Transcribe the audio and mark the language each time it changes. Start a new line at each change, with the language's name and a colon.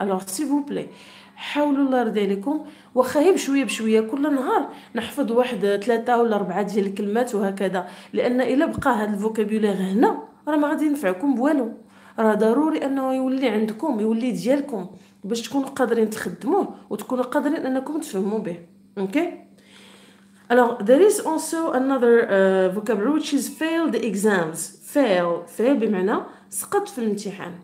Arabic: الوغ سيفو بلي، حاولوا الله يرضي عليكم، واخا غير بشويه بشويه كل نهار نحفظ واحد ثلاثه ولا اربعه ديال الكلمات وهكذا، لان الا بقى هذا الفوكابولير هنا راه ما غادي ينفعكم بوالو، راه ضروري انه يولي عندكم، يولي ديالكم باش تكونوا قادرين تخدموه وتكونوا قادرين انكم تفهموا به.
English: Okay, alors there is also another vocabulary which is fail the exams. Fail.
Arabic: Fail بمعنى سقط في الامتحان.